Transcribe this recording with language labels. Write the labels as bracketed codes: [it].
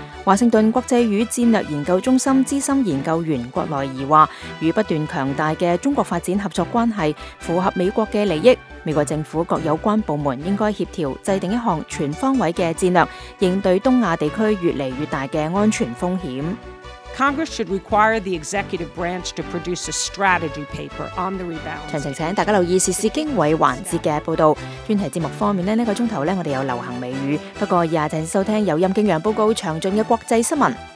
[zh] 华盛顿国际与战略研究中心资深研究员郭内仪说，与不断强大的中国发展合作关系符合美国的利益，美国政府各有关部门应该协调制定一项全方位的战略，应对东亚地区越来越大的安全风险。 [en] Congress should require the executive branch to produce a strategy paper on the rebound. [zh] 详情请大家留意时事经纬环节的报道。专题节目方面，这个钟头我们有流行美语，不过以下请收听由任敬阳报告详尽的国际新闻。